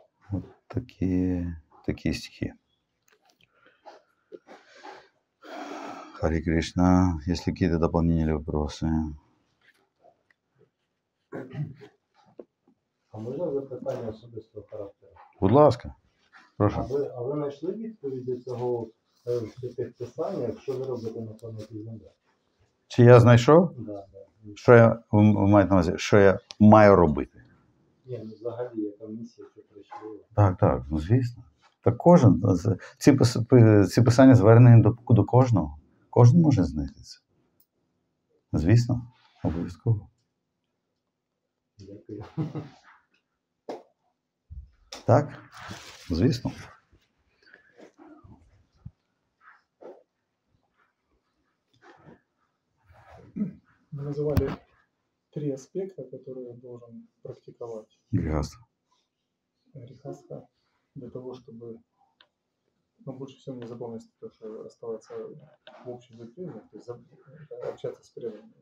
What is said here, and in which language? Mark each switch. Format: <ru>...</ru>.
<ru>Вот такие стихи. Хари Кришна, если какие-то дополнения или вопросы. А можно</ru> <uk>запитание особистого характера? Будь ласка, прошу. А ви знайшли відповіді цього святих писання, якщо ви робите на планеті Земля? Чи я знайшов? Да. Що ви маєте на увазі, що я маю робити? Ні, ну взагалі яка місія, що прийшла. Так, ну звісно. Так кожен, ці писання звернені до кожного. Кожен може знайти це. Звісно, обов'язково. Дякую. Так, звісно. Ми називали три аспекти, які я</uk> <ru>должен</ru> <uk>практикувати. Грігастха. Грігастха для того, щоб...</uk> <ru>Но больше всего мне запомнилось то, что оставаться в общем затрении, то есть общаться с преданным.</ru>